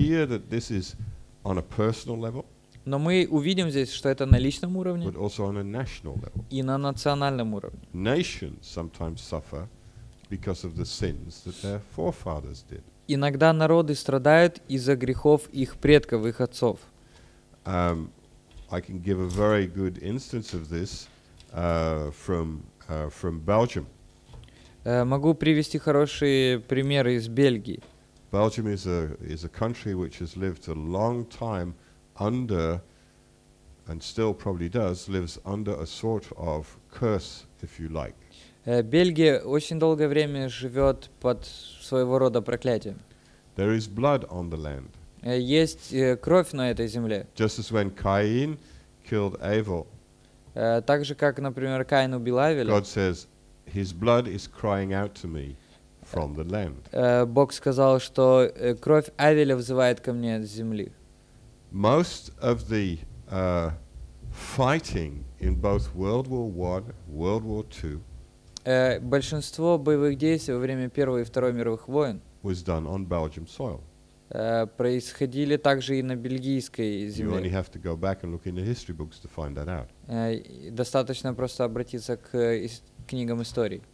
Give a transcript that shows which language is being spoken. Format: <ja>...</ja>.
<en>But we see here that this is on a personal level.</en> <ru>Но мы увидим здесь, что это на личном уровне.</ru> <en>But also on a national level.</en> <ru>И на национальном уровне.</ru> <en>Nations sometimes suffer because of the sins that their forefathers did.</en> <ru>Иногда народы страдают из-за грехов их предков, их отцов.</ru> <en>I can give a very good instance of this from from Belgium.</en> <ru>Могу привести хорошие примеры из Бельгии.</ru> <en>Belgium is a country which has lived a long time under, and still probably does, lives under a sort of curse, if you like.</en> <ru>Бельгия очень долгое время живет под своего рода проклятием.</ru> <en>There is blood on the land.</en> <ru>Есть кровь на этой земле.</ru> <en>Just as when Cain killed Abel.</en> <ru>Так же, как, например, Каин убил Авеля.</ru> <en>God says, his blood is crying out to me from the land.</en> <ru>Бог сказал, что кровь Авеля взывает ко мне с земли.</ru> <en>Most of the fighting in both World War One, World War Two.</en> <ru>Большинство боевых действий во время Первой и Второй мировых войн</ru> <en>was done on Belgian soil.</en> <ru>Происходили также и на бельгийской земле.</ru> <en>You only have to go back and look in the history books to find that out.</en> <ru>Достаточно просто обратиться к книгам истории.</ru>